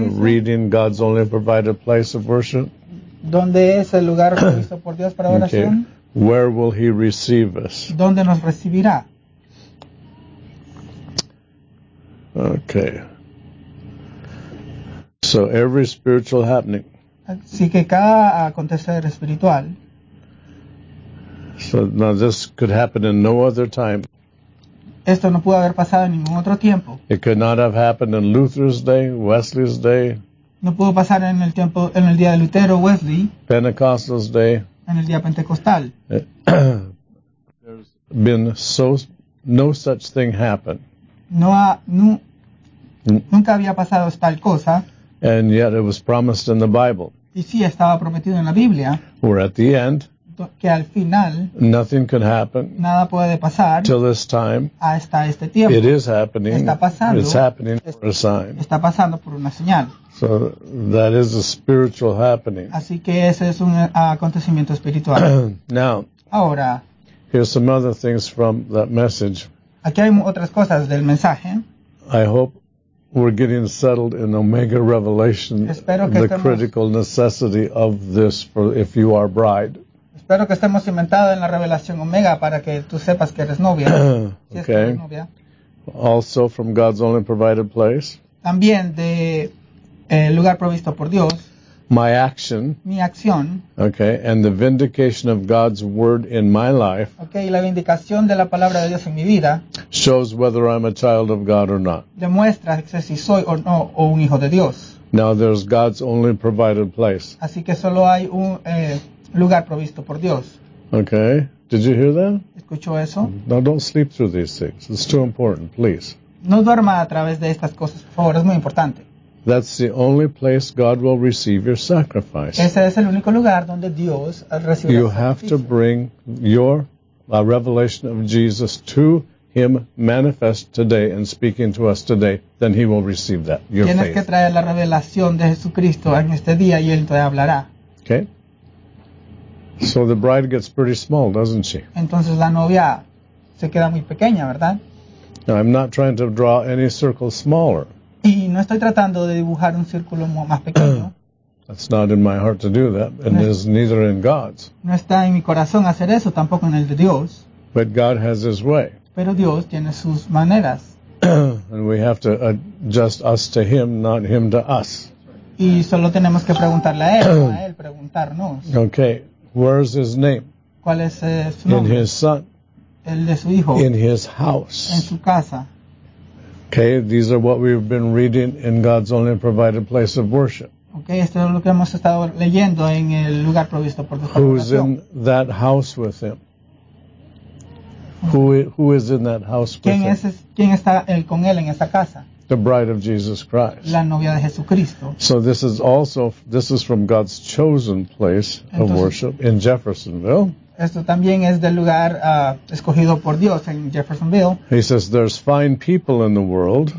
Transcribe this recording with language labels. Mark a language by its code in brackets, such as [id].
[en] Where we've been reading God's only provided place of worship. [es] Donde es el lugar provisto por Dios para oración. [en] Okay. Where will He receive us? [es] Donde nos recibirá. [en] Okay. So every spiritual happening. [es] Así que cada acontecer espiritual. [en] So now this could happen in no other time. [es] Esto no pudo haber pasado en ningún otro tiempo. [en] It could not have happened in Luther's day, Wesley's day. [es] No pudo pasar en el tiempo, en el día de Lutero, Wesley. [en] Pentecostal's day. [es] En el día pentecostal. [en] There's been so no such thing happened. [es] Nunca había pasado tal cosa. [en] And yet it was promised in the Bible. [es] Y sí, estaba prometido en la Biblia. [en] We're at the end. [es] Que al final. [en] Nothing can happen. [es] Nada puede pasar. [en] Till this time. [es] Hasta este tiempo. [en] It is happening. [es] Está pasando. [en] It's happening for a sign. [es] Está pasando por una señal. [en] So that is a spiritual happening. [es] Así que ese es un acontecimiento espiritual. [en] Now. [es] Ahora. [en] Here's some other things from that message. [es] Aquí hay otras cosas del mensaje. [en] I hope. We're getting settled in Omega Revelation, the critical necessity of this for if you are bride. [es] Espero que estemos cimentados en la revelación Omega para que tú sepas que eres novia. [en] Okay. Also from God's only provided place. [es] También de lugar provisto por Dios. [en] My action. [es] Mi acción. [en] Okay, and the vindication of God's word in my life. [es] Okay, la vindicación de la palabra de Dios en mi vida. [en] Shows whether I'm a child of God or not. [es] Demuestra si soy o no o un hijo de Dios. [en] Now there's God's only provided place. [es] Así que solo hay un lugar provisto por Dios. [en] Okay, did you hear that? [es] ¿Escuchó eso? [en] Now don't sleep through these things. It's too important, please. [es] No duerma a través de estas cosas, por favor. Es muy importante. [en] That's the only place God will receive your sacrifice. [es] Ese es el único lugar donde Dios recibe. [en] You have to bring your revelation of Jesus to Him manifest today and speaking to us today. Then He will receive that. Your [es] Tienes Que traer la revelación de Jesucristo en este día y Él te hablará. [en] Okay. So the bride gets pretty small, doesn't she? [es] Entonces la novia se queda muy pequeña, ¿verdad? [en] Now, I'm not trying to draw any circle smaller. [es] Y no estoy tratando de dibujar un círculo más pequeño. [en] That's not in my heart to do that, and no is neither in God's. [es] No está en mi corazón hacer eso, tampoco en el de Dios. [en] But God has His way. [es] Pero Dios tiene sus maneras. [en] And we have to adjust us to Him, not Him to us. [es] Y solo tenemos que preguntarle a Él preguntarnos. [en] Okay, where's His name? [es] ¿Cuál es su nombre? [en] In His son. [es] El de su hijo. [en] In His house. [es] En su casa. [en] Okay, these are what we've been reading in God's only provided place of worship. [es] Okay, esto es lo que hemos estado leyendo en el lugar provisto por Dios. [en] Who's in that house with Him? Who is in that house with [es] ¿Quién [en] Him? [es] ¿Quién está con Él en esa casa? [en] The bride of Jesus Christ. [es] La novia de Jesucristo. [en] So this is also, this is from God's chosen place [es] Entonces, [en] of worship in Jeffersonville. [es] Esto también es del lugar escogido por Dios en Jeffersonville. [en] He says, there's fine people in the world.